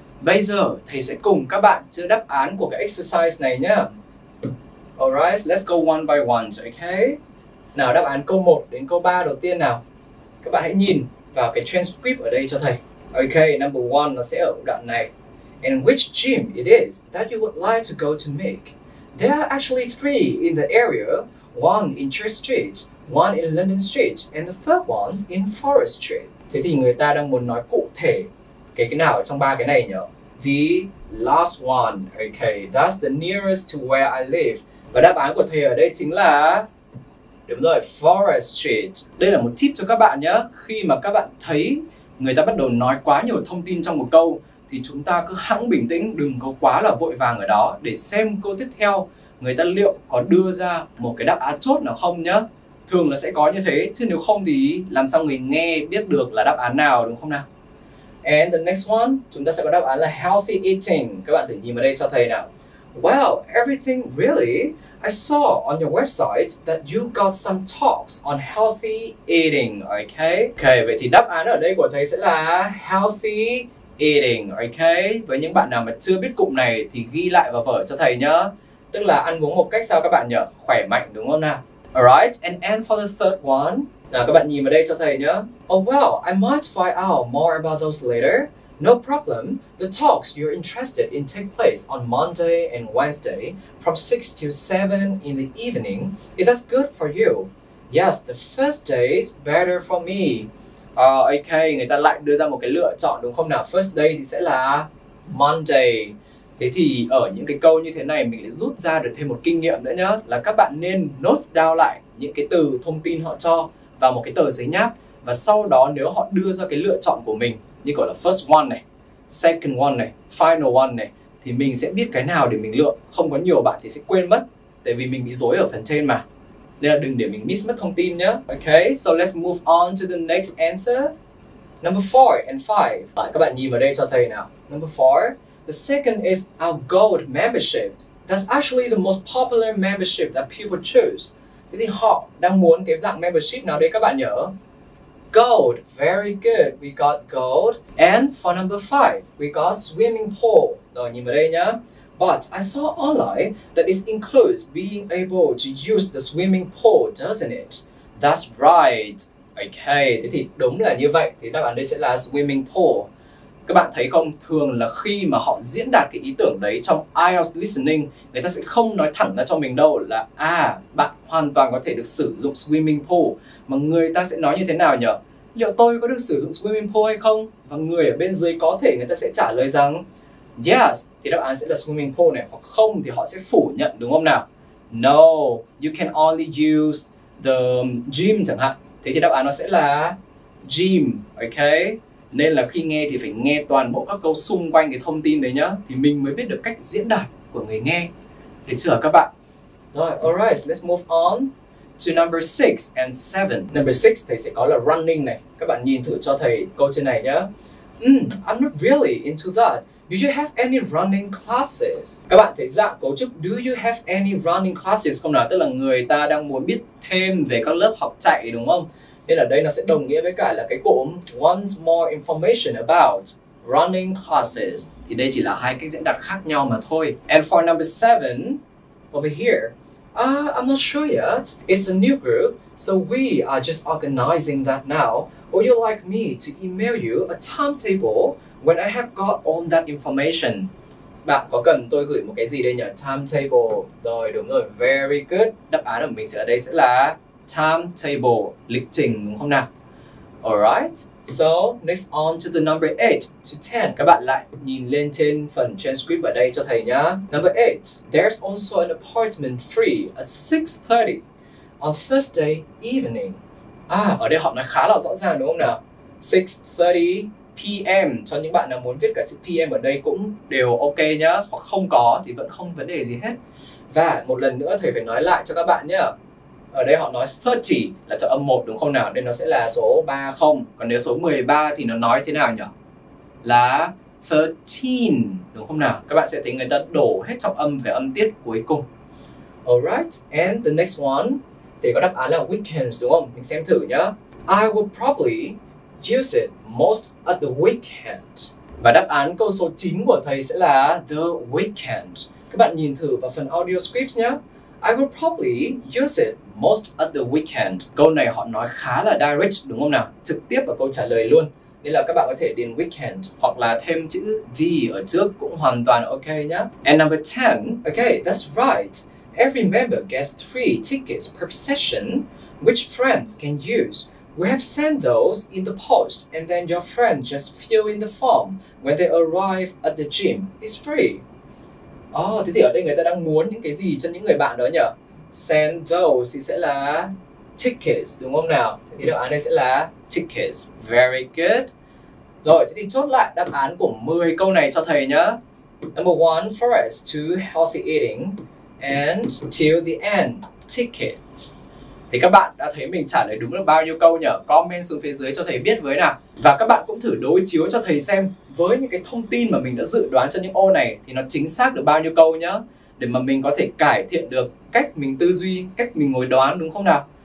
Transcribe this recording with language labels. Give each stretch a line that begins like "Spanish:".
Vietnamese: Bây giờ, thầy sẽ cùng các bạn chữa đáp án của cái exercise này nhé.
English: Alright, let's go one by one, okay?
Vietnamese: Nào, đáp án câu 1 đến câu 3 đầu tiên nào. Các bạn hãy nhìn vào cái transcript ở đây cho thầy.
English: Okay, number 1
Vietnamese: nó sẽ ở đoạn này.
English: In which gym it is that you would like to go to make? There are actually 3 in the area. One in Church Street, one in London Street, and the third one's in Forest Street.
Vietnamese: Thế thì người ta đang muốn nói cụ thể cái nào trong ba cái này nhỉ?
English: The last one, okay. That's the nearest to where I live.
Vietnamese: Và đáp án của thầy ở đây chính là... Đúng rồi, Forest Street. Đây là một tip cho các bạn nhé. Khi mà các bạn thấy người ta bắt đầu nói quá nhiều thông tin trong một câu thì chúng ta cứ hẵng bình tĩnh, đừng có quá là vội vàng ở đó để xem câu tiếp theo người ta liệu có đưa ra một cái đáp án chốt nào không nhá. Thường là sẽ có như thế, chứ nếu không thì làm sao người nghe biết được là đáp án nào, đúng không nào?
English: And the next one,
Vietnamese: chúng ta sẽ có đáp án là healthy eating. Các bạn thử nhìn vào đây cho thầy nào.
English: Well, everything really. I saw on your website that you got some talks on healthy eating, okay?
Vietnamese: Okay, vậy thì đáp án ở đây của thầy sẽ là healthy eating, okay? Với những bạn nào mà chưa biết cụm này thì ghi lại vào vở cho thầy nhá. Tức là ăn uống một cách sao các bạn nhỉ? Khỏe mạnh đúng không nào?
English: Alright, and for the third one.
Vietnamese: Nào các bạn nhìn vào đây cho thầy nhá.
English: Oh well, I might find out more about those later. No problem, the talks you're interested in take place on Monday and Wednesday from 6 to 7 in the evening, if that's good for you. Yes, the first day is better for me.
Vietnamese: Okay, người ta lại đưa ra một cái lựa chọn đúng không nào?
English: First day
Vietnamese: thì sẽ là Monday. Thế thì ở những cái câu như thế này mình lại rút ra được thêm một kinh nghiệm nữa nhá. Là các bạn nên note down lại những cái từ thông tin họ cho vào một cái tờ giấy nháp. Và sau đó nếu họ đưa ra cái lựa chọn của mình, như gọi là first one này, second one này, final one này, thì mình sẽ biết cái nào để mình lựa. Không có nhiều bạn thì sẽ quên mất, tại vì mình bị rối ở phần trên mà. Nên là đừng để mình miss mất thông tin nhá.
English: Okay, so let's move on to the next answer. Number 4 and 5.
Vietnamese: Các bạn nhìn vào đây cho thầy nào.
English: Number 4. The second is our gold membership. That's actually the most popular membership that people choose.
Vietnamese: Thế thì họ đang muốn cái dạng membership nào đây các bạn nhớ?
English: Gold, very good, we got gold. And for number 5, we got swimming pool.
Vietnamese: Rồi nhìn vào đây nhá.
English: But I saw online that it includes being able to use the swimming pool, doesn't it? That's right.
Vietnamese: Okay, thế thì đúng là như vậy. Thì đáp án đây sẽ là swimming pool. Các bạn thấy không, thường là khi mà họ diễn đạt cái ý tưởng đấy trong IELTS listening, người ta sẽ không nói thẳng ra cho mình đâu là à, bạn hoàn toàn có thể được sử dụng swimming pool. Mà người ta sẽ nói như thế nào nhở? Liệu tôi có được sử dụng swimming pool hay không? Và người ở bên dưới có thể người ta sẽ trả lời rằng yes, thì đáp án sẽ là swimming pool này. Hoặc không thì họ sẽ phủ nhận, đúng không nào?
English: No, you can only use the gym
Vietnamese: chẳng hạn. Thế thì đáp án nó sẽ là gym, okay? Nên là khi nghe thì phải nghe toàn bộ các câu xung quanh cái thông tin đấy nhá. Thì mình mới biết được cách diễn đạt của người nghe. Được chưa các bạn?
English: Rồi, alright, let's move on to number 6 and 7.
Vietnamese: Number 6 thầy sẽ có là running này. Các bạn nhìn thử cho thầy câu trên này nhá.
English: I'm not really into that. Do you have any running classes?
Vietnamese: Các bạn thấy dạng cấu trúc
English: do you have any running classes
Vietnamese: không nào? Tức là người ta đang muốn biết thêm về các lớp học chạy đúng không? Nên ở đây nó sẽ đồng nghĩa với cả là cái cụm
English: want more information about running classes.
Vietnamese: Thì đây chỉ là 2 cách diễn đạt khác nhau mà thôi.
English: And for number 7, over here, I'm not sure yet. It's a new group, so we are just organizing that now. Would you like me to email you a timetable when I have got all that information?
Vietnamese: Bạn có cần tôi gửi một cái gì đây nhỉ? Timetable. Rồi, đúng rồi.
English: Very good.
Vietnamese: Đáp án của mình sẽ ở đây sẽ là timetable, lịch trình, đúng không nào?
English: Alright, so next on to the number 8 to 10.
Vietnamese: Các bạn lại nhìn lên trên phần transcript ở đây cho thầy nhá.
English: Number 8, there's also an appointment free at 6:30 on Thursday evening.
Vietnamese: Ở đây họ nói khá là rõ ràng đúng không nào? 6:30 p.m. Cho những bạn nào muốn viết cả chữ p.m. ở đây cũng đều ok nhá. Hoặc không có thì vẫn không vấn đề gì hết. Và một lần nữa thầy phải nói lại cho các bạn nhá. Ở đây họ nói 30 là chọn âm 1 đúng không nào? Nên nó sẽ là số 30. Còn nếu số 13 thì nó nói thế nào nhỉ? Là 13 đúng không nào? Các bạn sẽ thấy người ta đổ hết trọng âm về âm tiết cuối cùng.
English: Alright, and the next one
Vietnamese: thì có đáp án là weekends đúng không? Mình xem thử nhá.
English: I will probably use it most at the weekend.
Vietnamese: Và đáp án câu số 9 của thầy sẽ là the weekend. Các bạn nhìn thử vào phần audio scripts nhá.
English: I will probably use it most at the weekend.
Vietnamese: Câu này họ nói khá là direct đúng không nào? Trực tiếp vào câu trả lời luôn. Nên là các bạn có thể điền weekend hoặc là thêm chữ the ở trước cũng hoàn toàn ok nhá.
English: And number 10. Okay, that's right. Every member gets 3 tickets per session which friends can use. We have sent those in the post and then your friend just fill in the form when they arrive at the gym. It's free.
Vietnamese: Thế thì ở đây người ta đang muốn những cái gì cho những người bạn đó nhỉ? Send those thì sẽ là tickets, đúng không nào? Thế thì đáp án đây sẽ là tickets.
English: Very good.
Vietnamese: Rồi, thế thì chốt lại đáp án của 10 câu này cho thầy nhá.
English: Number 1, for us to healthy eating and till the end, tickets.
Vietnamese: Thì các bạn đã thấy mình trả lời đúng được bao nhiêu câu nhỉ? Comment xuống phía dưới cho thầy biết với nào. Và các bạn cũng thử đối chiếu cho thầy xem với những cái thông tin mà mình đã dự đoán cho những ô này thì nó chính xác được bao nhiêu câu nhá. Để mà mình có thể cải thiện được cách mình tư duy, cách mình ngồi đoán đúng không nào?